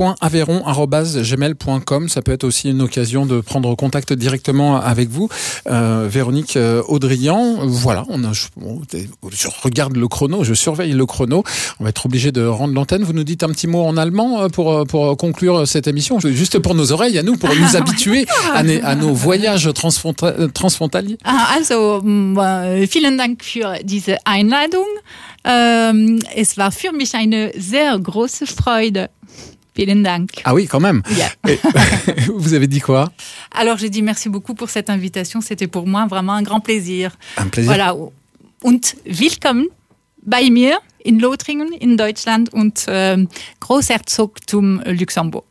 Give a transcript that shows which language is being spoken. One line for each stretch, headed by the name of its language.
French: moselle.aveyron@gmail.com, ça peut être aussi une occasion de prendre contact directement avec vous, Véronique Audrillan. Voilà, je regarde le chrono, je surveille le chrono. On va être obligé de rendre l'antenne. Vous nous dites un petit mot en allemand pour conclure cette émission, juste pour nos oreilles, à nous, pour nous habituer à nos voyages transfrontaliers.
German: Also, vielen Dank für diese Einladung. Es war für mich eine sehr große Freude. Vielen Dank.
French: Ah oui, quand même. Yeah. Vous avez dit quoi ? Alors, j'ai dit merci beaucoup pour cette invitation. C'était pour moi vraiment un grand plaisir. Un plaisir. Voilà.
German: Und willkommen bei mir in Lothringen in Deutschland und Großherzogtum Luxembourg.